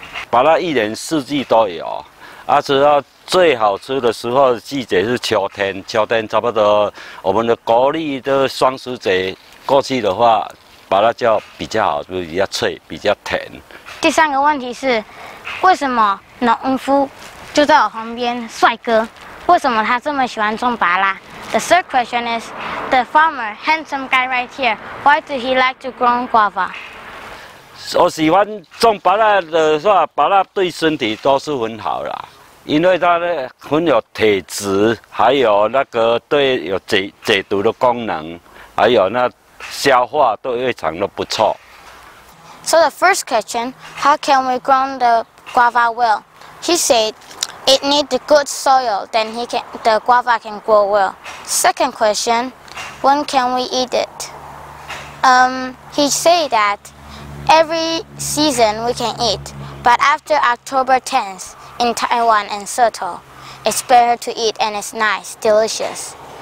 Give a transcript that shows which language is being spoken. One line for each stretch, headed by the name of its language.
Chinese: 芭乐一年四季都有，啊，只要最好吃的时候的季节是秋天，秋天差不多我们的国历的双十节过去的话，芭乐就比较好，就比较脆，比较甜。第三个问题是，为什么农夫就在我旁边，帅哥，为什么他这么喜欢种芭乐？
English: The third question is, the farmer, handsome guy right here, why do he like to grow guava?
Chinese: 我喜欢种芭乐的话，芭乐对身体都是很好啦，因为它很有铁质，还有那个对有解毒的功能，还有那消化都非常的不错。
English: So the first question, how can we grow the guava well? He said, it needs good soil, then the guava can grow well. Second question, when can we eat it? He said that every season we can eat, but after October 10th in Taiwan and Seto, it's better to eat and it's nice, delicious.